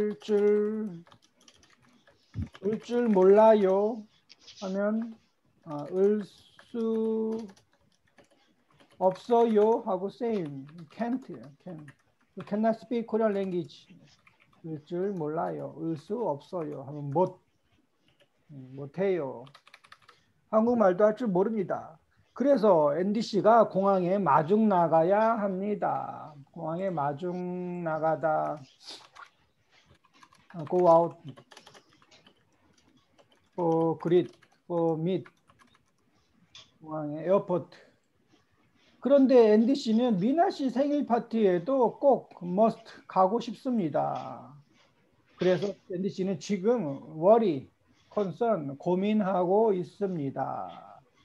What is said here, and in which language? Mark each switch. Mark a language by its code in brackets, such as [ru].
[ko] 을 줄 몰라요 하면 을 수 없어요 하고 same. [en] Cannot speak Korean language. [ko] 을 줄 몰라요. 을 수 없어요 하면 못해요. 한국말도 할 줄 모릅니다. 그래서 앤디 씨가 공항에 마중 나가야 합니다. 공항에 마중 나가다. [en] Go out for greet, for meet. [ko] 공항에 에어포트. 그런데 앤디 씨는 미나 씨 생일 파티에도 꼭 must 가고 싶습니다. 그래서 앤디 씨는 지금 [en] worry, concern, [ko] 고민하고 있습니다.